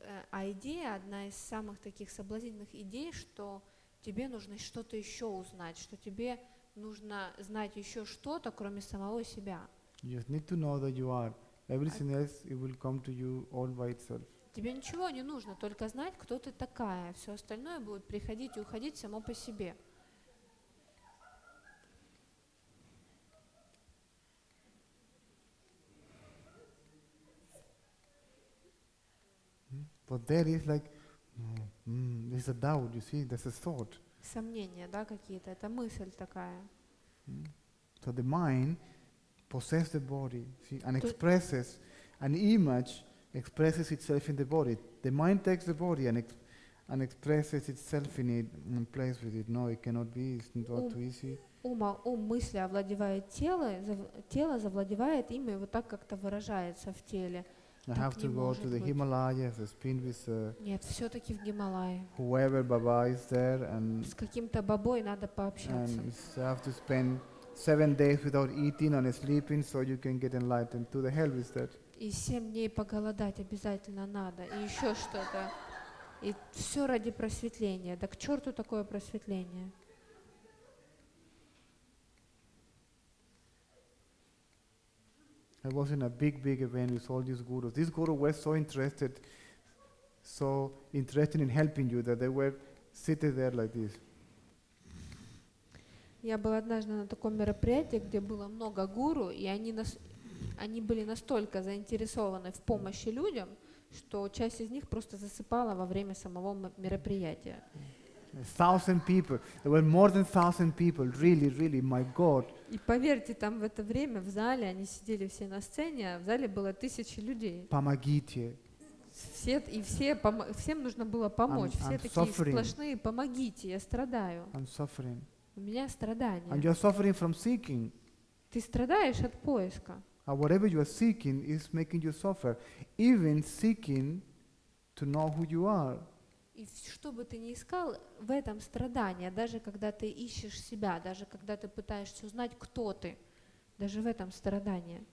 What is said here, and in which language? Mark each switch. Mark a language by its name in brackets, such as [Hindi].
[Russian] А идея, одна из самых таких соблазнительных идей, что тебе нужно что-то еще узнать, что тебе нужно знать еще что-то, кроме самого себя. [English] You just need to know that you are. Everything else, it will come to you all by itself. [Russian] Тебе ничего не нужно, только знать, кто ты такая. Все остальное будет приходить и уходить само по себе. [English] But there is like, there's a doubt. You see, there's a thought. [Russian] Сомнения, да, какие-то. Это мысль такая. [English] So the mind possesses the body, see, and expresses an image, expresses itself in the body. The mind takes the body and expresses itself in it and plays with it. No, it cannot be. It's not too easy. [Russian] Ум мысли овладевает тело, тело завладевает им и вот так как-то выражается в теле. [English] I have to go to the Himalayas, spin with [Russian] Нет, все-таки в Гималайи. [English] Whoever Baba is there and [Russian] с каким-то бабой надо пообщаться. [English] And you have to spend 7 days without eating and sleeping so you can get enlightened. To the hell with that. [Russian] И 7 дней поголодать обязательно надо. И еще что-то. И все ради просветления. Да к черту такое просветление. [English] I was in a big event with all these gurus. These gurus were so interested in helping you that they were sitting there like this. [Russian] Я был однажды на таком мероприятии, где было много гуру, и они были настолько заинтересованы в помощи людям, что часть из них просто засыпала во время самого мероприятия. [English] 1,000 people. There were more than 1,000 people. Really, really, my God. [Russian] И поверьте, там в это время в зале они сидели все на сцене, в зале было 1000 людей. Помогите. Всем нужно было помочь. [English] I'm [Russian] все такие [English] suffering. [Russian] Сплошные. Помогите, я страдаю. [English] I'm suffering. [Russian] У меня страдания. [English] And you're suffering from seeking. [Russian] Ты страдаешь от поиска. [English] And whatever you are seeking is making you suffer, even seeking to know who you are. [Russian] И что бы ты ни искал, в этом страдание, даже когда ты ищешь себя, даже когда ты пытаешься узнать, кто ты, даже в этом страдание.